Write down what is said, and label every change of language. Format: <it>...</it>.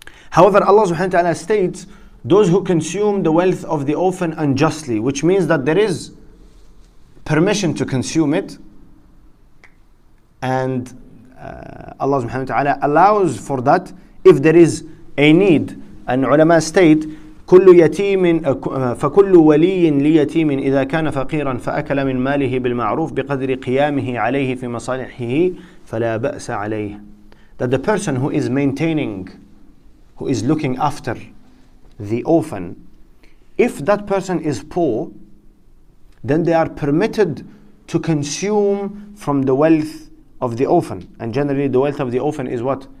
<en>However, Allah subhanahu wa ta'ala states, those who consume the wealth of the orphan unjustly, which means that there is permission to consume it, and Allah subhanahu wa ta'ala allows for that if there is a need. And ulama state,</en> <ar>كل يتيم فكل ولي ليتيم إذا كان فقيرا فأكل من ماله بالمعروف بقدر قيامه عليه في مصالحه فلا بأس عليه.</ar> <en>That the person who is maintaining, who is looking after the orphan, if that person is poor, then they are permitted to consume from the wealth of the orphan. And generally the wealth of the orphan is what?</en>